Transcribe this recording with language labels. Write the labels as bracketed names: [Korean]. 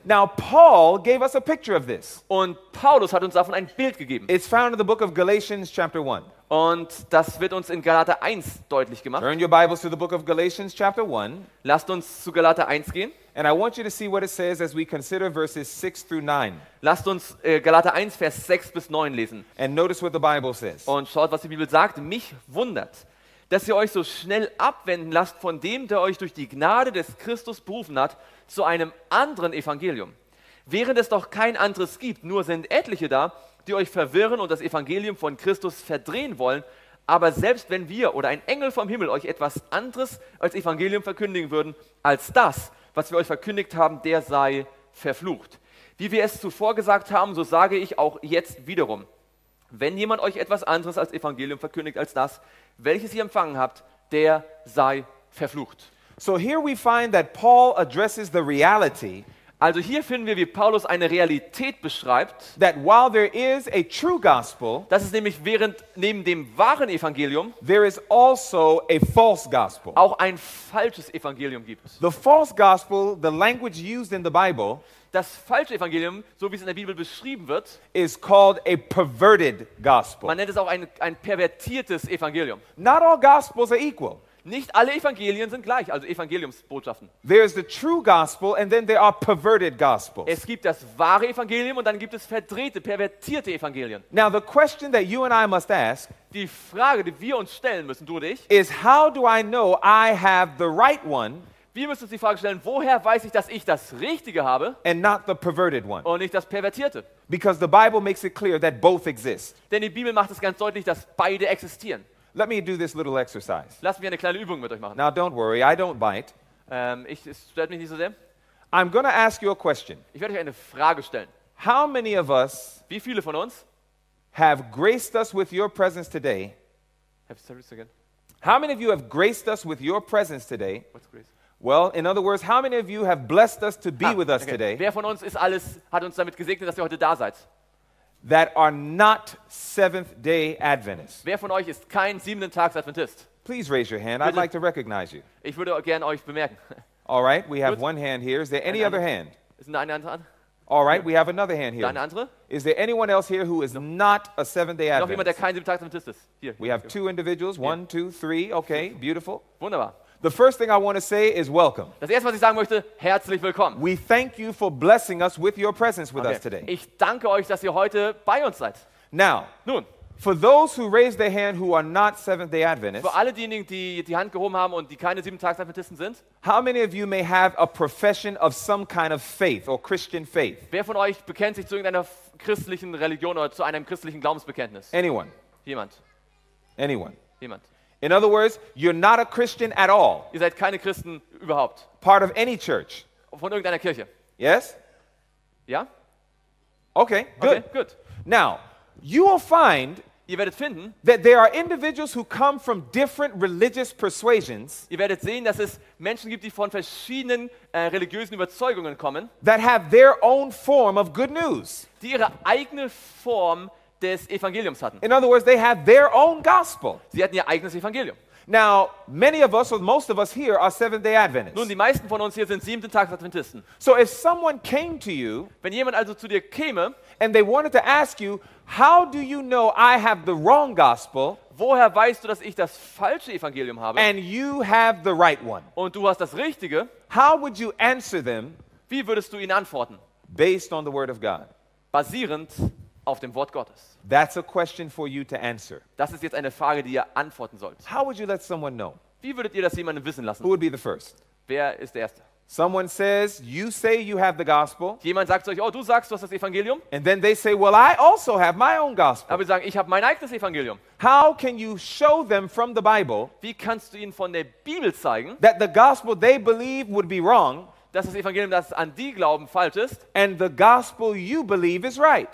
[English] Now Paul gave us a picture of this. [German] Und Paulus hat uns davon ein Bild gegeben. [English] It's found in the book of Galatians chapter 1. [German] Und das wird uns in Galater 1 deutlich gemacht. [English] Turn your Bibles to the book of Galatians chapter 1. [German] Lasst uns zu Galater 1 gehen. [English] And I want you to see what it says as we consider verses 6 through 9. [German] Lasst uns Galater 1 Vers 6 bis 9 lesen. [English] And notice what the Bible says. [German] Und schaut, was die Bibel sagt. Mich wundert, dass ihr euch so schnell abwenden lasst von dem, der euch durch die Gnade des Christus berufen hat, zu einem anderen Evangelium. Während es doch kein anderes gibt, nur sind etliche da, die euch verwirren und das Evangelium von Christus verdrehen wollen. Aber selbst wenn wir oder ein Engel vom Himmel euch etwas anderes als Evangelium verkündigen würden, als das, was wir euch verkündigt haben, der sei verflucht. Wie wir es zuvor gesagt haben, so sage ich auch jetzt wiederum. Wenn jemand euch etwas anderes als Evangelium verkündigt als das, welches ihr empfangen habt, der sei verflucht. [English] So here we find that Paul addresses the reality. [German] Also hier finden wir, wie Paulus eine Realität beschreibt, [English] that while there is a true gospel, [German] dass es nämlich neben dem wahren Evangelium, [English] there is also a false gospel. [German] Auch ein falsches Evangelium gibt. [English] The false gospel, the language used in the Bible, [German] das falsche Evangelium, so wie es in der Bibel beschrieben wird, [English] is called a perverted gospel. [German] Man nennt es auch ein pervertiertes Evangelium. [English] Not all gospels are equal. [German] Nicht alle Evangelien sind gleich, also Evangeliumsbotschaften. [English] There is the true gospel and then there are perverted gospels. [German] Es gibt das wahre Evangelium und dann gibt es verdrehte, pervertierte Evangelien. [English] Now the question that you and I must ask, [German] die Frage, die wir uns stellen müssen, du und ich, [English] is how do I know I have the right one? [German] Wir müssen uns die Frage stellen, woher weiß ich, dass ich das Richtige habe? [English] And not the perverted one. [German] Und nicht das Pervertierte. [English] Because the Bible makes it clear that both exist. [German] Denn die Bibel macht es ganz deutlich, dass beide existieren. [English] Let me do this little exercise. [German] Lass mich eine kleine Übung mit euch machen. [English] Now don't worry, I don't bite. [German] Es stört mich nicht so sehr. [English] I'm going to ask you a question. [German] Ich werde euch eine Frage stellen. [English] How many of us, [German] wie viele von uns, [English] have graced us with your presence today? Have said this again. How many of you have graced us with your presence today? What's grace? Well, in other words, how many of you have blessed us to be with us today? [German] Wer von uns hat uns damit gesegnet, dass ihr heute da seid? [English] That are not Seventh-day Adventists. [German] Wer von euch ist kein siebenten Tags Adventist? [English] Please raise your hand. I'd like to recognize you. [German] Ich würde gerne euch bemerken. [English] All right, we have one hand here. Is there any other hand? [German] Ist eine andere Hand? [English] All right, we have another hand here. [German] Eine andere? [English] Is there anyone else here who is not a Seventh-day Adventist? [German] Noch jemand, der kein siebenten Tags Adventist ist? Hier. [English] We have two individuals. One, two, three. Okay, beautiful. [German] Wunderbar. [English] The first thing I want to say is welcome. [German] Das erste, was ich sagen möchte, herzlich willkommen. [English] We thank you for blessing us with your presence with us today. [German] Ich danke euch, dass ihr heute bei uns seid. [English] Now, [German] nun, [English] for those who raise their hand who are not Seventh-day Adventists. [German] Für alle diejenigen, die die Hand gehoben haben und die keine Siebentags-Adventisten sind. [English] How many of you may have a profession of some kind of faith or Christian faith? [German] Wer von euch bekennt sich zu irgendeiner christlichen Religion oder zu einem christlichen Glaubensbekenntnis? [English] Anyone? [German] Jemand? [English] Anyone? [German] Jemand? [English] In other words, you're not a Christian at all. [German] Ihr seid keine Christen überhaupt. [English] Part of any church. [German] Von irgendeiner Kirche. [English] Yes? [German] Ja? [English] Okay, good. Okay, good. Now, you will find, [German] ihr werdet finden, [English] that there are individuals who come from different religious persuasions. [German] Ihr werdet sehen, dass es Menschen gibt, die von verschiedenen religiösen Überzeugungen kommen. [English] That have their own form of good news. [German] Die ihre eigene Form des Evangeliums hatten. [English] In other words, they had their own gospel. [German] Sie hatten ihr eigenes Evangelium. [English] Now, many of us, or most of us here, are Seventh-day Adventists. [German] Nun, die meisten von uns hier sind siebenten Tag Adventisten. [English] So, if someone came to you, [German] wenn jemand also zu dir käme, [English] and they wanted to ask you, how do you know I have the wrong gospel? [German] Woher weißt du, dass ich das falsche Evangelium habe? [English] And you have the right one. [German] Und du hast das richtige. [English] How would you answer them? [German] Wie würdest du ihnen antworten? [English] Based on the Word of God. [German] Basierend auf dem Wort Gottes. [English] That's a question for you to answer. [German] Das ist jetzt eine Frage, die ihr antworten sollt. [English] How would you let someone know? [German] Wie würdet ihr das jemandem wissen lassen? [English] Who would be the first? [German] Wer ist der Erste? [English] Someone says, you say you have the gospel. [German] Jemand sagt zu euch, oh, du sagst, du hast das Evangelium. [English] And then they say, well, I also have my own gospel. [German] Aber sie sagen, ich habe mein eigenes Evangelium. [English] How can you show them from the Bible? [German] Wie kannst du ihnen von der Bibel zeigen? [English] That the gospel they believe would be wrong. [German] Dass das Evangelium, das an die glauben, falsch ist. [English] And the gospel you believe is right.